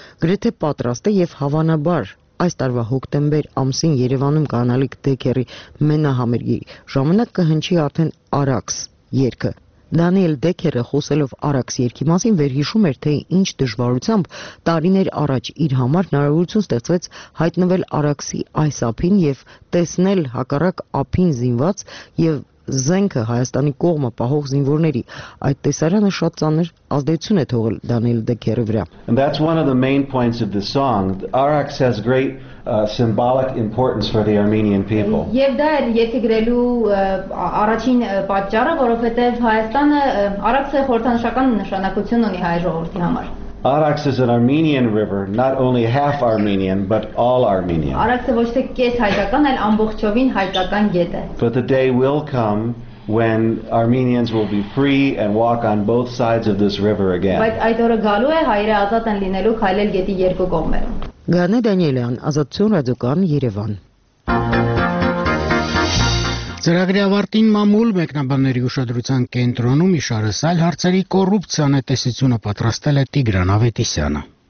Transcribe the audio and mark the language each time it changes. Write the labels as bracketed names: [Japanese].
[Armenian] գրեթե պատրաստ է եւ հավանաբար այս տարվա հոկտեմբեր ամսին Երևանում կանալիք Դեքերի մենահամերգի ժամանակ կհնչի արդեն Արաքս երգը։ Դանիել Դեքերը խոսելով Արաքս երգի մասին վերհիշում էր, թե ինչ դժվարությամբ տարիներ առաջ իր համար հնարավորություն ստեղծվեց հայտնվել Արաքսի այս ափին եւ տեսնել հակառակ ափին զինված եւ զենքը Հայաստանի կողմը պահող զինվորների։ Այդ տեսարանը շատ ծանր ազդեցություն է թողել Դանիել Դեքերի վրա։ [English] And that's one of the main points of the song. Արաքս has great symbolic importance for the Armenian people. [Armenian] Եվ դա էլ եթե գրելու առաջին պատճառը, որովհետև Հայաստանը Արաքսը խորհրդանշական նշանակություն ունի հայ ժողովրդի համար։ [English] Արաքս is an Armenian river, not only half Armenian, but all Armenian. [Armenian] Արաքսը ոչ թե կես հայկական, այլ ամբողջովին հայկական գետ է։ [English] But the day will come when Armenians will be free and walk on both sides of this river again. [Armenian] Բայց այդ օրը գալու է հայերը ազատ են լինելու քայլել գետի երկու կողմերում։ Գանե Դանիելյան, Ազատություն ռադիոկան, Երևան։ Ծրագրի ավարտին մամուլ մեկնաբանների ուշադրության կենտրոնում իշարս այլ հարցերի կոռուպցիան է տեսությունը պատրաստել է Տիգրան Ավետիսյանը։